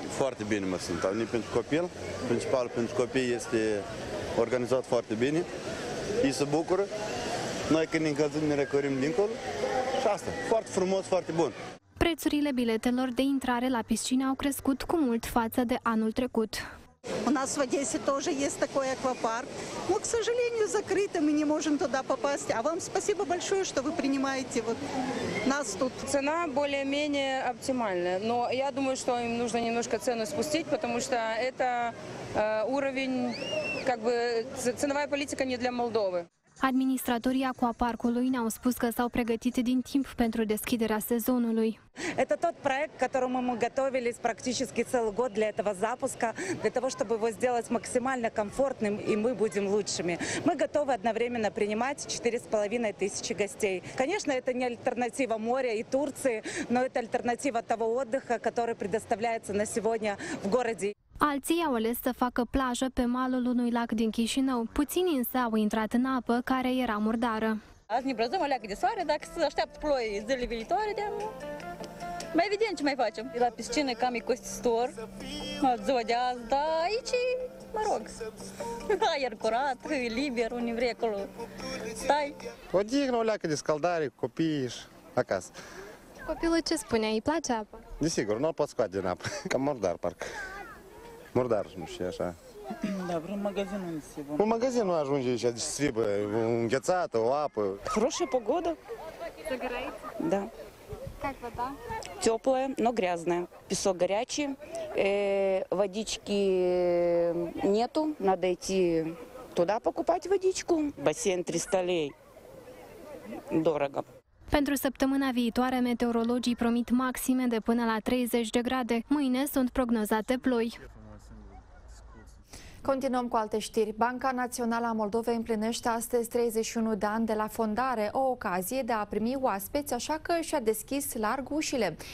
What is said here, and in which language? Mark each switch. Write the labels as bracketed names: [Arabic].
[Romanian] Foarte bine mă simt, nici pentru copil. Principalul pentru copii este organizat foarte bine. Ei se bucură. Noi când ne încălzim ne recorim dincolo. Și asta, foarte frumos, foarte bun. Prețurile biletelor de intrare la piscină au crescut cu mult față de anul trecut. [Russian] У нас в Одессе тоже есть такой аквапарк, но, к сожалению, закрыто, мы не можем туда попасть. А вам спасибо большое, что вы принимаете вот нас тут. Цена более-менее оптимальная, но я думаю, что им нужно немножко цену спустить, потому что это уровень, как бы, ценовая политика не для Молдовы. [Romanian] Administratorii aquaparcului ne-au spus că s-au pregătit din timp pentru deschiderea sezonului. [Russian] Это тот проект, к которому мы готовились практически целый год для этого запуска, для того, чтобы его сделать максимально комфортным, и мы будем лучшими. Мы готовы одновременно принимать 4500 гостей. Конечно, это не альтернатива моря и Турции, но это альтернатива того отдыха, который предоставляется на сегодня в городе. [Romanian] Alții au ales să facă plajă pe malul unui lac din Chișinău. Puțini însă au intrat în apă, care era murdară. Azi ne brăzăm o leacă de soare, dacă se așteaptă ploi zilele viitoare, de mai evident ce mai facem. La piscină cam e costisitor, ziua de azi, dar aici, mă rog, aer curat, e liber, unii vrei acolo, stai. Odihnă o leacă de scaldare, copii și acasă. Copilul ce spune, îi place apă? Desigur, nu-l pot scoate din apă, cam murdar parcă. Murdar, nu știu, așa. Da, vreun magazin unde se vom. Un magazin nu ajunge aici, deci strip, înghețată, o apă. [Russian] Хорошая погода. [Romanian] Să grăiți? Da. [Russian] Как вода? Теплая, но грязная. Песок горячий, водички нету, надо идти туда покупать водичку. Бассейн 300 лей. Дорого. [Romanian] Pentru săptămâna viitoare, meteorologii promit maxime de până la 30 de grade. Mâine sunt prognozate ploi. Continuăm cu alte știri. Banca Națională a Moldovei împlinește astăzi 31 de ani de la fondare, o ocazie de a primi oaspeți, așa că și-a deschis larg ușile.